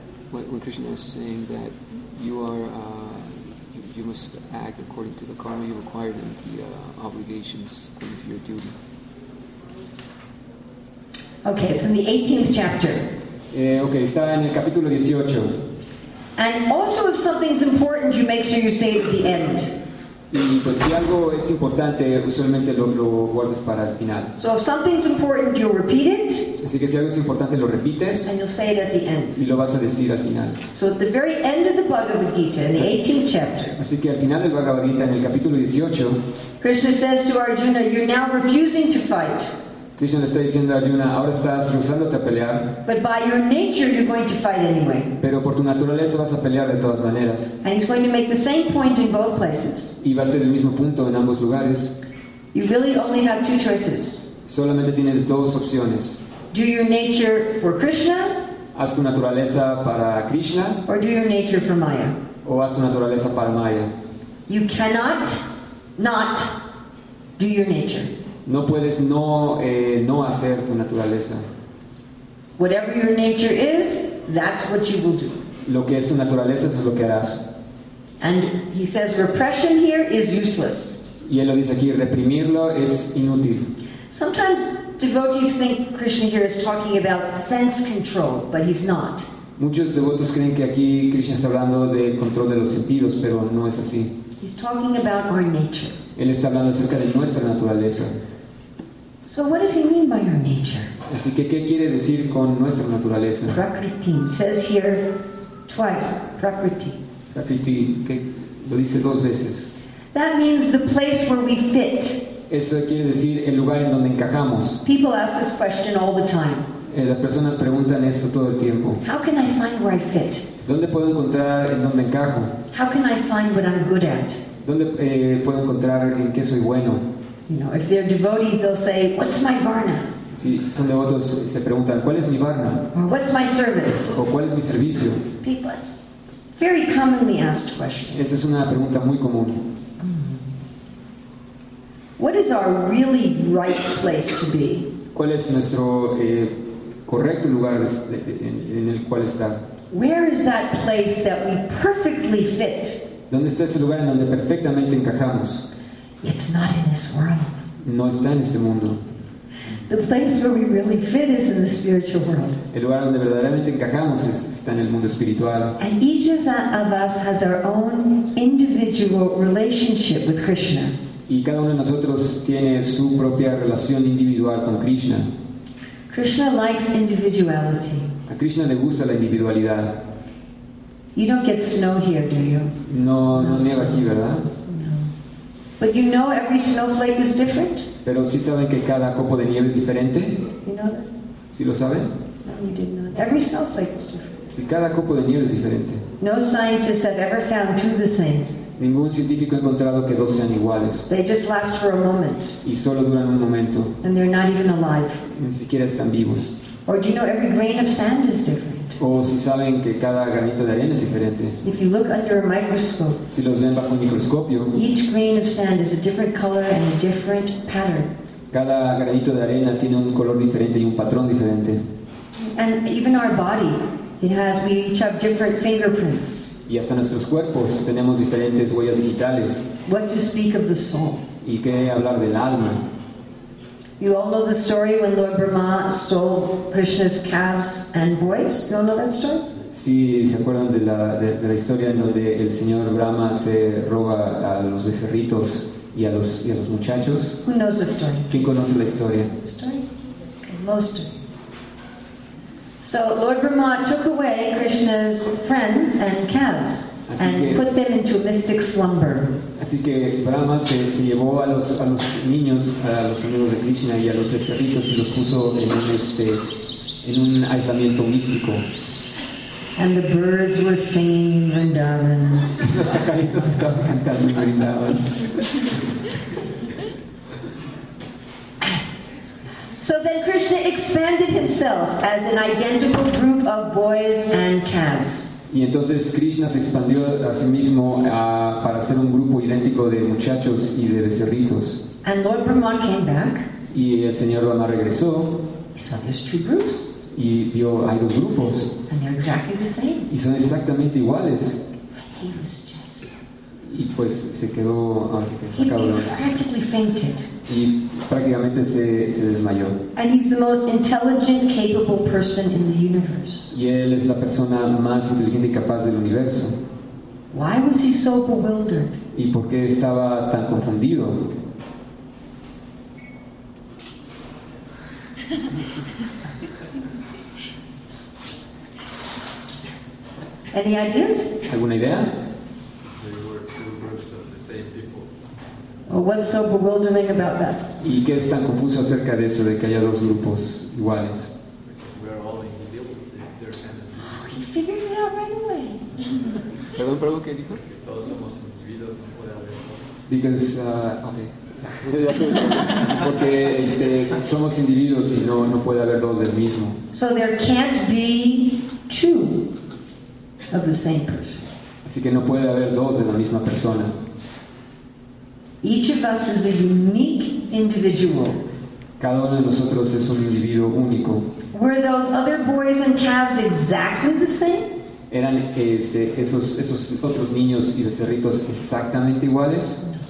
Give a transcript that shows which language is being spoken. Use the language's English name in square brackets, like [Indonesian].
[English] When Krishna is saying that you are, you must act according to the karma you required and the obligations according to your duty. Okay, it's in the 18th chapter. [Spanish] Okay, está en el capítulo 18. [English] And also, if something's important, you make sure you say it at the end. [Spanish] Y pues si algo es importante, usualmente lo guardas para el final. [English] So if something's important, you'll repeat it. [Spanish] Así que si algo es importante, lo repites. [English] And you'll say it at the end. [Spanish] Y lo vas a decir al final. [English] So at the very end of the Bhagavad Gita, in the 18th chapter. [Spanish] Así que al final del Bhagavad Gita, en el capítulo 18. [English] Krishna says to Arjuna, you're now refusing to fight. [Spanish] Krishna le está diciendo a Arjuna, ahora estás rehusándote a pelear. [English] But by your nature, you're going to fight anyway. [Spanish] Pero por tu naturaleza vas a pelear de todas maneras. [English] And he's going to make the same point in both places. [Spanish] Y va a ser el mismo punto en ambos lugares. [English] You really only have two choices. [Spanish] Solamente tienes dos opciones. [English] Do your nature for Krishna. [Spanish] Haz tu naturaleza para Krishna. [English] Or do your nature for Maya. [Spanish] O haz tu naturaleza para Maya. [English] You cannot not do your nature. [Spanish] No puedes no hacer tu naturaleza. [English] Whatever your nature is, that's what you will do. [Spanish] Lo que es tu naturaleza, eso es lo que harás. [English] And he says repression here is useless. [Spanish] Y él lo dice aquí, reprimirlo es inútil. [English] Sometimes devotees think Krishna here is talking about sense control, but he's not. [Spanish] Muchos devotos creen que aquí Krishna está hablando de control de los sentidos, pero no es así. [English] He's talking about our nature. [Spanish] Él está hablando acerca de nuestra naturaleza. [English] So what does he mean by our nature? [Spanish] Así que, ¿qué quiere decir con nuestra naturaleza? [English] Prakriti says here twice, Prakriti. [Spanish] Prakriti, que lo dice dos veces. [English] That means the place where we fit. [Spanish] Eso quiere decir el lugar en donde encajamos. [English] People ask this question all the time. [Spanish] Las personas preguntan esto todo el tiempo. [English] How can I find where I fit? [Spanish] ¿Dónde puedo encontrar en donde encajo? [English] How can I find what I'm good at? [Spanish] ¿Dónde puedo encontrar en qué soy bueno? [English] You know, if they're devotees, they'll say, what's my varna? [Spanish] Si son devotos, se preguntan, ¿cuál es mi varna? [English] Or what's my service? [Spanish] ¿O cuál es mi servicio? [English] People ask very commonly asked questions. [Spanish] Esa es una pregunta muy común. [English] What is our really right place to be? [Spanish] ¿Cuál es nuestro correcto lugar en el cual estar? [English] Where is that place that we perfectly fit? [Spanish] ¿Dónde está ese lugar en donde perfectamente encajamos? [English] It's not in this world. [Spanish] No está en este mundo. [English] The place where we really fit is in the spiritual world. [Spanish] El lugar donde verdaderamente encajamos está en el mundo espiritual. [English] And each of us has our own individual relationship with Krishna. [Spanish] Y cada uno de nosotros tiene su propia relación individual con Krishna. [English] Krishna likes individuality. [Spanish] A Krishna le gusta la individualidad. [English] You don't get snow here, do you? [Spanish] No nieva aquí, ¿verdad? [English] No. But you know every snowflake is different? [Spanish] ¿Pero sí saben que cada copo de nieve es diferente? [English] You know that? [Spanish] ¿Sí lo saben? [English] No, you didn't know that. Every snowflake is different. [Spanish] Sí, cada copo de nieve es diferente. [English] No scientists have ever found two the same. [Spanish] Ningún científico ha encontrado que dos sean iguales. [English] They just last for a moment. [Spanish] Y solo duran un momento. [English] And they're not even alive. [Spanish] Ni siquiera están vivos. [English] Or do you know every grain of sand is different? [Spanish] O si saben que cada granito de arena es diferente. [English] If you look under a microscope. [Spanish] Si los ven bajo un microscopio. [English] Each grain of sand is a different color and a different pattern. [Spanish] Cada granito de arena tiene un color diferente y un patrón diferente. [English] And even our body, we each have different fingerprints. [Spanish] Y hasta nuestros cuerpos tenemos diferentes huellas digitales. [English] What to speak of the soul? [Spanish] ¿Y qué hablar del alma? [English] You all know the story when Lord Brahma stole Krishna's calves and boys. You all know that story? [Spanish] Sí, se acuerdan de la historia en donde el señor Brahma se roba a los becerritos y a los muchachos. [English] Who knows the story? [Spanish] ¿Quién conoce la historia? [English] The story? Okay, most of it. So Lord Brahma took away Krishna's friends and calves and put them into a mystic slumber. [Spanish] Así que Brahma se llevó a los niños, a los amigos de Krishna y a los becerritos y los puso en un aislamiento místico. [English] And the birds were singing Vrindavan. [Spanish] Los pajaritos estaban cantando en Vrindavan. [English] So then Krishna expanded himself as an identical group of boys and calves. [Spanish] Y entonces Krishna se expandió a sí mismo para ser un grupo idéntico de muchachos y de becerritos. [English] And Lord Brahma came back. [Spanish] Y el señor Brahma regresó. [English] He saw those two groups. [Spanish] Y vio hay dos grupos. [English] And they're exactly the same. [Spanish] Y son exactamente iguales. [English] He was just. [Spanish] Y pues se quedó. [English] He practically fainted. [Spanish] Y prácticamente se desmayó. [English] And he's the most intelligent, capable person in the universe. [Spanish] Y él es la persona más inteligente y capaz del universo. [English] Why was he so bewildered? [Spanish] ¿Y por qué estaba tan confundido? [English] Any ideas? [Spanish] ¿Alguna idea? [English] What's so bewildering about that? [Spanish] ¿Y qué es tan confuso acerca de eso, de que haya dos grupos iguales? [English] He figured it out right away. [Spanish] ¿Perdón, pero qué dijo? Todos somos individuos, no puede haber dos. Porque somos individuos y no puede haber dos del mismo. [English] So there can't be two of the same person. [Spanish] Así que no puede haber dos de la misma persona. [English] Each of us is a unique individual. [Spanish] Cada uno de nosotros es un individuo único. [English] Were those other boys and calves exactly the same? [Spanish] ¿Eran esos otros niños y becerritos exactamente iguales?